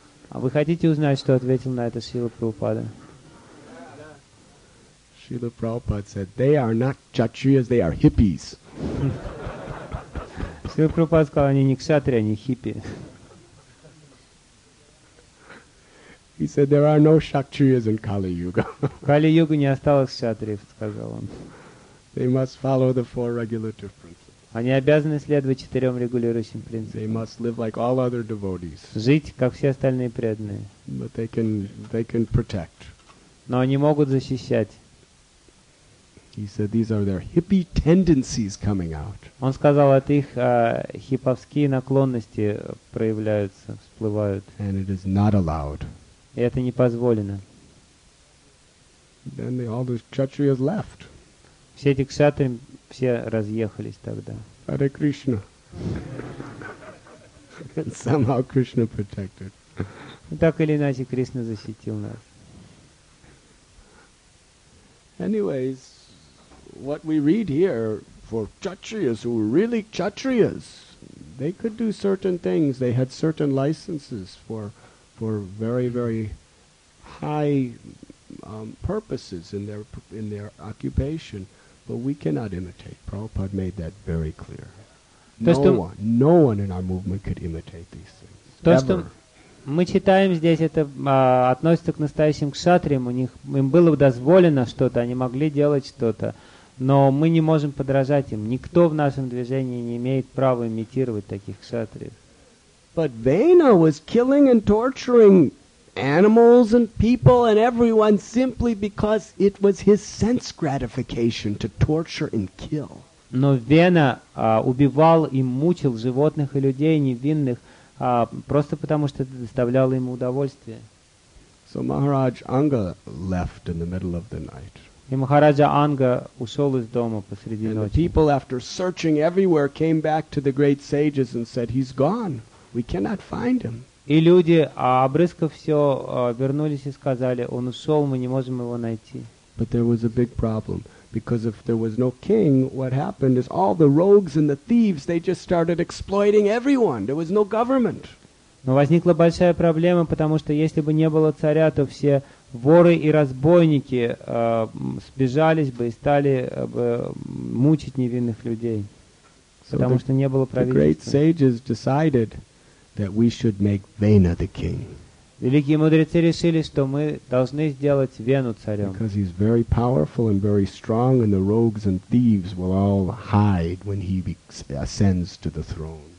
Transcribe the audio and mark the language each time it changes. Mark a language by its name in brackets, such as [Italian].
[Russian] А вы хотите узнать, что ответил на это Шрила Прабхупада? [English] Шрила Прабхупада said, they are not kshatriyas, they are hippies. [Russian] Шрила Прабхупада сказал, они не кшатри, они хиппи. [English] He said, there are no kshatriyas in Kali Yuga. [Russian] Kali Yuga не осталось кшатриев, сказал он. [English] They must follow the four regulative principles. [Russian] Они обязаны следовать четырем регулирующим принципам. [English] They must live like all other devotees. [Russian] Жить, как все остальные преданные. [English] But they can protect. [Russian] Но они могут защищать. [English] He said, these are their hippie tendencies coming out. [Russian] Он сказал, это их хипповские наклонности проявляются, всплывают. [English] And it is not allowed. [Russian] И это не позволено. [English] Then all those kshatriyas left. [Russian] Все эти кшатри все разъехались тогда. [English] Hare Krishna. And somehow Krishna protected. [Russian] Так или иначе, Кришна защитил нас. [English] Anyways, what we read here for kshatriyas, who were really kshatriyas, they could do certain things, they had certain licenses for very, very high purposes in their occupation. But we cannot imitate. Prabhupada made that very clear. No one in our movement could imitate these things. [Russian] То, [English] ever. [Russian] Что мы читаем здесь, это относится к настоящим кшатриям. Им было дозволено что-то, они могли делать что-то, но мы не можем подражать им. Никто в нашем движении не имеет права имитировать таких кшатриев. [English] But Vena was killing and torturing animals and people and everyone simply because it was his sense gratification to torture and kill. [Russian] Но Вена убивал и мучил животных и людей невинных просто потому, что это доставляло ему удовольствие. [English] So Maharaj Anga left in the middle of the night. [Russian] И Махараджа Анга ушел из дома посреди ночи. [English] And the people, after searching everywhere, came back to the great sages and said, "He's gone. We cannot find him." [Russian] И люди, обрызгав все, вернулись и сказали, он ушел, мы не можем его найти. [English] But there was a big problem, because if there was no king, what happened is all the rogues and the thieves, they just started exploiting everyone. There was no government. [Russian] Но возникла большая проблема, потому что если бы не было царя, то все воры и разбойники сбежались бы и стали бы мучить невинных людей, потому что не было правительства. [English] The great sages decided that we should make Vena the king. [Russian] Великие мудрецы решили, что мы должны сделать Вену царем. [English] Because he's very powerful and very strong, and the rogues and thieves will all hide when he ascends to the throne.